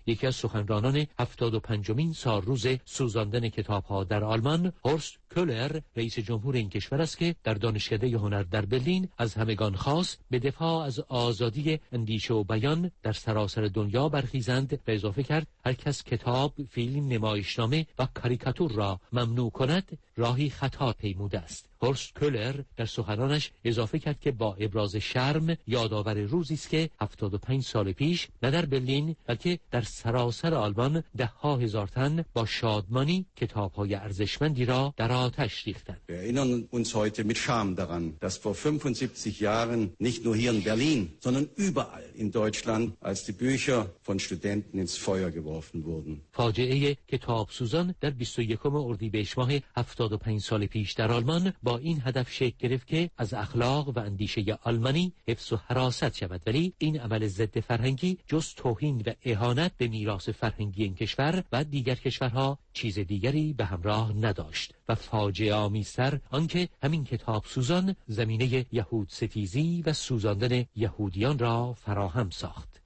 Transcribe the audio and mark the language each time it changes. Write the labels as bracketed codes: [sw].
[fa] یکی از سخنرانان 75مین سالروز سوزاندن کتاب‌ها در آلمان، هورست کلر، رئیس جمهور این کشور است که در دانشکده هنر در برلین از همگان خواست به دفاع از آزادی اندیشه و بیان در سراسر دنیا برخیزند و اضافه کرد هر کس کتاب، فیلم، نمایشنامه و کاریکاتور را ممنوع کند، راهی خطا پیموده است. هورست کلر در سخنانش اضافه کرد که با ابراز شرم یادآور روزی است که 75 سال پیش نه در برلین بلکه در سراسر آلمان ده ها هزار تن با شادمانی کتاب‌های ارزشمندی را در آتش ریختند. [de] Wir erinnern uns heute mit Scham daran, dass vor 75 Jahren nicht nur hier in Berlin, sondern überall in Deutschland, als die Bücher von Studenten ins Feuer geworfen wurden. [fa] فاجعه کتاب‌سوزان در 21 اردیبهشت ماه 75 سال پیش در آلمان با این هدف شکل گرفت که از اخلاق و اندیشه آلمانی حفظ و حراست شود، ولی این عمل ضد فرهنگی جز توهین و اهانت به میراث فرهنگی این کشور و دیگر کشورها چیز دیگری به همراه نداشت و فاجعه آمیزتر آنکه همین کتاب سوزان زمینه یهود ستیزی و سوزاندن یهودیان را فراهم ساخت.